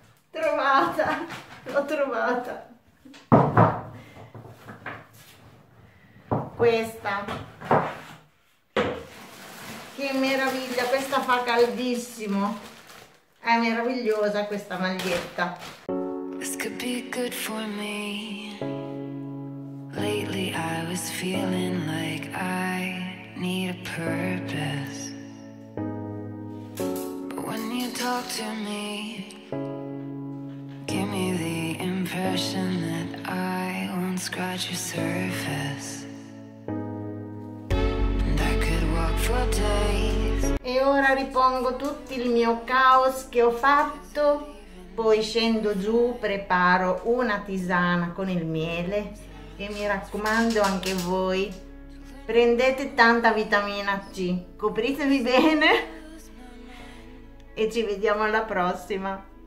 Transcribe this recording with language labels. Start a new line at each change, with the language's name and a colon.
Italian: Trovata, l'ho trovata. Questa. Meraviglia, questa fa caldissimo. È meravigliosa questa maglietta.
English: This could be good for me. Lately I was feeling like I need a purpose. But when you talk to me, give me the impression that I won't scratch your surface. And I could walk for days.
Italian: E ora ripongo tutto il mio caos che ho fatto, poi scendo giù, preparo una tisana con il miele. E mi raccomando anche voi, prendete tanta vitamina C, copritevi bene e ci vediamo alla prossima.